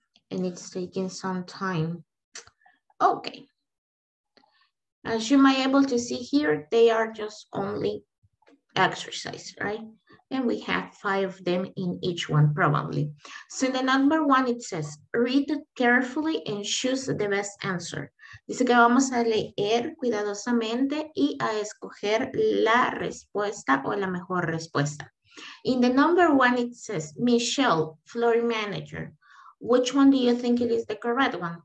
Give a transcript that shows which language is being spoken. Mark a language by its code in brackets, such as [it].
[en] And it's taking some time. Okay. As you might be able to see here, they are just only exercise, right? And we have 5 of them in each one, probably. So in the number one, it says, read carefully and choose the best answer. [es] Dice que vamos a leer cuidadosamente y a escoger la respuesta o la mejor respuesta. [en] In the number one, it says, Michelle, floor manager. Which one do you think it is the correct one?